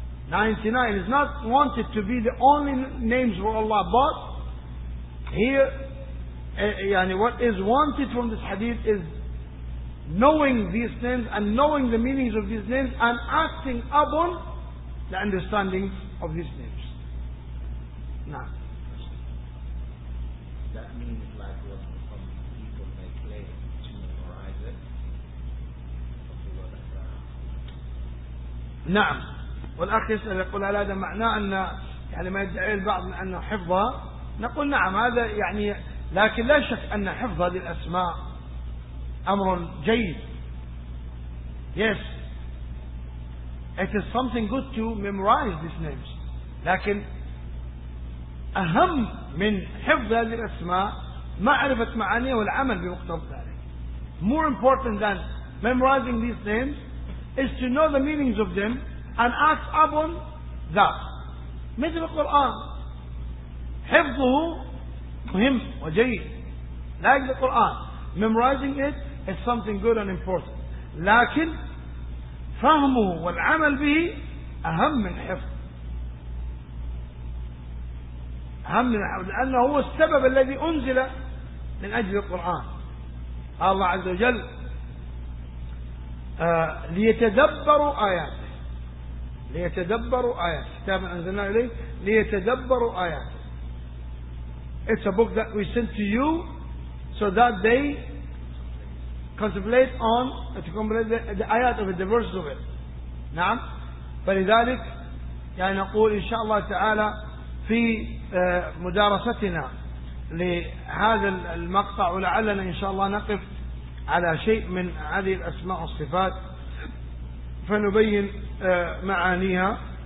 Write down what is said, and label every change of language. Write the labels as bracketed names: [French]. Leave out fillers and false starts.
[English] 99 is not wanted to be the only names for Allah, but here يعني what is wanted from this hadith is knowing these names and knowing the meanings of these names and acting upon the understanding of these names. Now, that means like what some people may claim to memorize it. [Arabic] نعم. والأخ يسأل يقول هل هذا معناه أن يعني ما يدعي البعض أنه حفظها؟ نقول نعم هذا يعني، لكن لا شك أن حفظ هذه الأسماء أمر جيد. [English] Yes, it is something good to memorize these names. [Arabic] لكن أهم من حفظ هذه الأسماء معرفة معانيها والعمل بمقتضى ذلك. [English] More important than memorizing these names is to know the meanings of them and act upon that. [Arabic] مثل القرآن، حفظه مهم وجيد. [English] Like the Quran, memorizing it is something good and important. [Arabic] لكن فهمه والعمل به أهم من حفظ. أهم من حفظ، لأنه هو السبب الذي أنزل من أجل القرآن. الله عز وجل ليتدبروا آياته. ليتدبروا آياته. كتاب أنزلناه إليه ليتدبروا آياته. [English] It's a book that we sent to you so that they contemplate on the ayat of it, the verses of it. [Arabic] نعم. فلذلك يعني نقول إن شاء الله تعالى في مدارستنا لهذا المقطع، ولعلنا إن شاء الله نقف على شيء من هذه الأسماء والصفات فنبين معانيها.